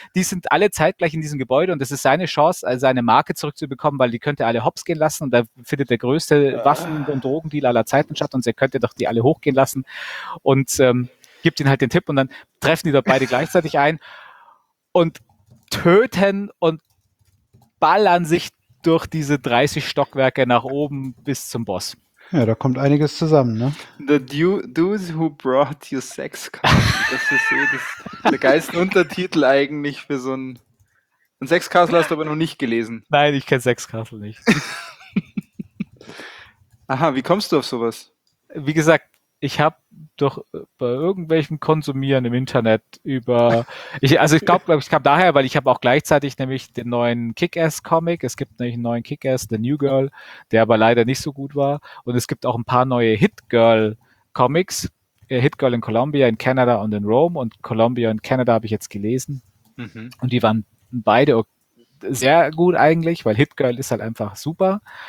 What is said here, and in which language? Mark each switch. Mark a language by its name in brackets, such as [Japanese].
[German] Die sind alle zeitgleich in diesem Gebäude und es ist seine Chance, also seine Marke zurückzubekommen, weil die könnte alle hops gehen lassen und da findet der größte Waffen- und Drogendeal aller Zeiten statt und er könnte doch die alle hochgehen lassen und gibt ihnen halt den Tipp und dann treffen die doch beide gleichzeitig ein und töten und ballern sich durch diese 30 Stockwerke nach oben bis zum Boss. Ja, da kommt einiges zusammen, ne? [English] The dudes who brought you sex. [German] Das ist eh der geilste Untertitel eigentlich für so ein Sex Castle hast du aber noch nicht gelesen. Nein, ich kenne Sex Castle nicht. Aha, wie kommst du auf sowas? Wie gesagt, ich habe doch bei irgendwelchem Konsumieren im Internet ich kam daher, weil ich habe auch gleichzeitig nämlich den neuen Kick-Ass-Comic, es gibt nämlich einen neuen Kick-Ass, The New Girl, der aber leider nicht so gut war, und es gibt auch ein paar neue Hit-Girl-Comics, Hit-Girl in Columbia, in Canada und in Rome, und Columbia und Canada habe ich jetzt gelesen, und die waren beide sehr gut eigentlich, weil Hit-Girl ist halt einfach super.